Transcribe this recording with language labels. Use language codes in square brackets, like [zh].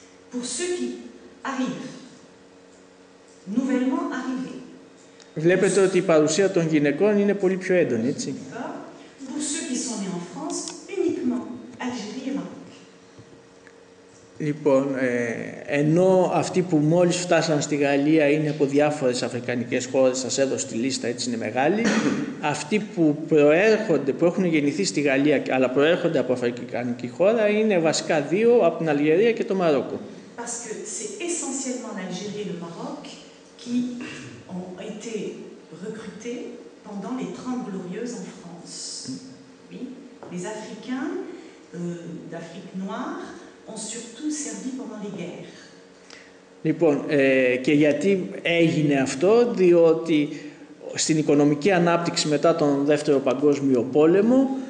[fr] Pour ceux qui arrivent, nouvellement arrivés. [el] Βλέπετε ότι η παρουσία των γυναικών είναι πολύ πιο έντονη, έτσι. [fr] Pour ceux qui sont nés en France, uniquement Algérie et Maroc. [el] Λοιπόν, ενώ αυτοί που μόλις φτάσαν στη Γαλλία είναι από διάφορες αφρικανικές χώρες, σας έδωσε τη λίστα, έτσι είναι μεγάλη, αυτοί που προέρχονται, που έχουν γεννηθεί στη Γαλλία αλλά προέρχονται από αφρικανική χώρα είναι βασικά δύο, από την Αλγερία και το Μαρόκο. [fr] Parce que c'est essentiellement l'Algérie et le Maroc qui ont été recrutés pendant les 30 glorieuses en France. Oui, les Africains d'Afrique noire ont surtout servi pendant les guerres. [el] Λοιπόν, και γιατί έγινε αυτό, διότι στην οικονομική ανάπτυξη μετά τον Δεύτερο Παγκόσμιο Πόλεμο,